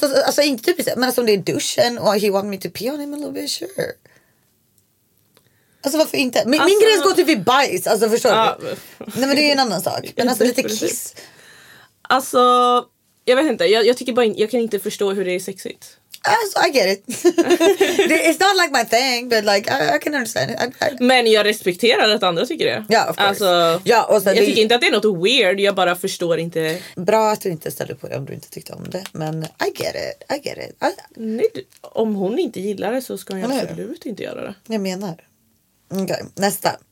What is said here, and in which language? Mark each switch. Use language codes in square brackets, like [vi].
[sv] Alltså inte typ så, men alltså, om det är duschen och [en] he want me to pee on him a little bit, sure. [sv] Alltså varför inte? Min gräns går typ i bajs. Alltså förstår du? Nej, men det är en annan sak. Men alltså lite kiss. Alltså, jag vet inte. Jag tycker bara, jag kan inte förstå hur det är sexigt. Alltså, [en] I get it. It's not like my thing, but like, I can understand it. [sv] Men jag respekterar att andra tycker det. Ja, [en] of course. [sv] Alltså, ja, och sen, jag tycker inte att det är något weird. Jag bara förstår inte. Bra att du inte ställer på det om du inte tyckte om det. Men [en] I get it. [sv] Om hon inte gillar det så ska jag absolut inte göra det. Jag menar. Okej, nästa.